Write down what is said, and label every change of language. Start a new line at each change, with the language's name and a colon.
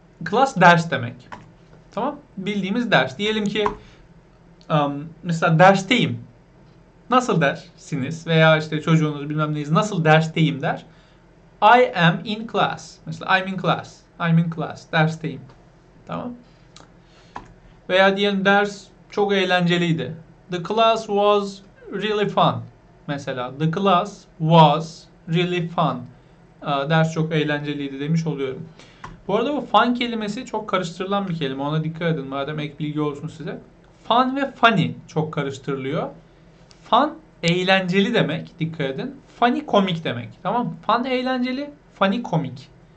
Turkish: Class ders demek. Tamam. Bildiğimiz ders. Diyelim ki mesela dersteyim. Nasıl dersiniz? Veya işte çocuğunuz bilmem neyiz, nasıl dersteyim der.
English: I am in class.
Turkish: Mesela
English: I'm in class. I'm in class.
Turkish: Dersteyim. Tamam. Veya diyelim ders çok eğlenceliydi.
English: The class was really fun.
Turkish: Mesela
English: the class was really fun.
Turkish: Ders çok eğlenceliydi demiş oluyorum. Bu arada bu fun kelimesi çok karıştırılan bir kelime. Ona dikkat edin. Madem ek bilgi olsun size. Fun ve funny çok karıştırılıyor. Fun eğlenceli demek. Dikkat edin. Funny komik demek. Tamam. Fun eğlenceli. Funny komik.